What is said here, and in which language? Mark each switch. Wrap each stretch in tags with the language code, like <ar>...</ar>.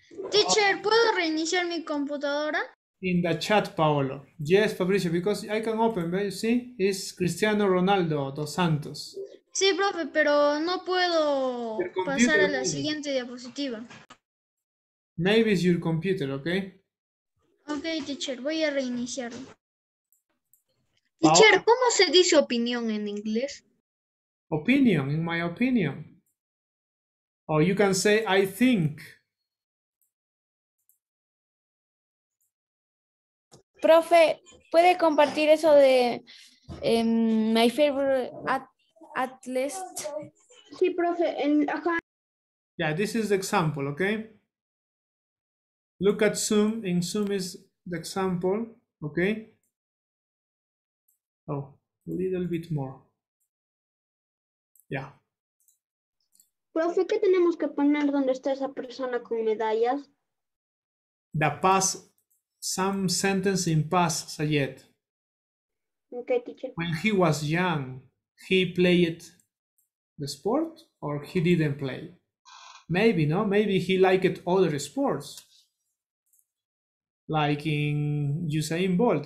<es>Teacher, ¿puedo reiniciar mi computadora?</es> <en>In the chat, Paolo. Yes, Fabricio, because I can open, but you see, it's Cristiano Ronaldo dos Santos.</en> <es>Sí, profe, pero no puedo pasar a la siguiente diapositiva.</es> <en>Maybe it's your computer, okay? Okay, teacher,</en> <es>voy a reiniciarlo. Teacher, ¿cómo se dice opinión en inglés?</es> <en>Opinion, in my opinion. Or you can say, I think.</en> <es>Profe, ¿puede compartir eso de</es> <en>my favorite at least?</en> <es>Sí, profe, en acá.</es> <en>Yeah, this is the example, okay? Look at Zoom. In Zoom is the example, okay? Oh, a little bit more. Yeah.</en> <es>Profe, ¿qué tenemos que poner donde está esa persona con medallas?</es> <en>The past, some sentence in past, Sayed. Okay, teacher. When he was young, he played the sport or he didn't play? Maybe, no? Maybe he liked other sports. Like in Usain Bolt.</en>